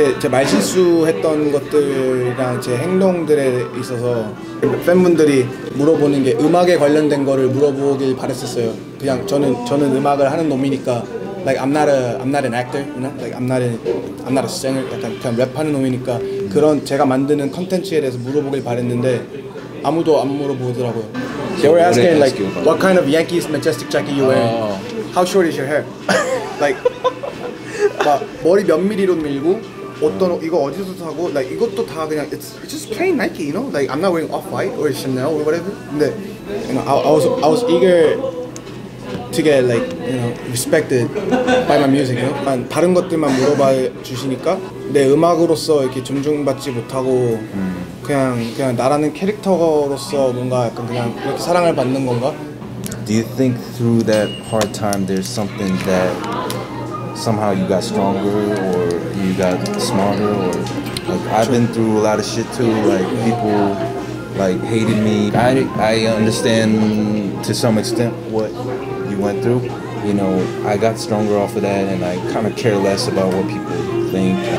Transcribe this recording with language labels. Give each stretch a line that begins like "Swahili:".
Korean: 제 말실수했던 것들이랑 제 행동들에 있어서 팬분들이 물어보는 게 음악에 관련된 거를 물어보길 바랬었어요. 그냥 저는 음악을 하는 놈이니까
English: like I'm not an actor, you know? Like I'm not a singer.
Korean: 약간 그냥 랩하는 놈이니까 그런 제가 만드는 콘텐츠에 대해서 물어보길 바랬는데 아무도 안 물어보더라고요.
English: They were asking like what kind of Yankees majestic jacket you wear? How short is your hair?
Korean: Like 막 머리 몇 미리로 밀고 어떤 이거 어디서 사고 like 이것도 다 그냥
English: it's just plain Nike, you know? Like I'm not wearing Off-White or Chanel or whatever. 근데 you know, I was eager to get like you know respected by my music. You know?
Korean: 다른 것들만 물어봐 주시니까 내 음악으로서 이렇게 존중받지 못하고 그냥 나라는 캐릭터로서 뭔가 약간 그냥 이렇게 사랑을 받는 건가?
English: Do you think through that hard time there's something that somehow you got stronger or you got smarter or like I've been through a lot of shit too like people like hated me I understand to some extent what you went through you know I got stronger off of that and I kind of care less about what people think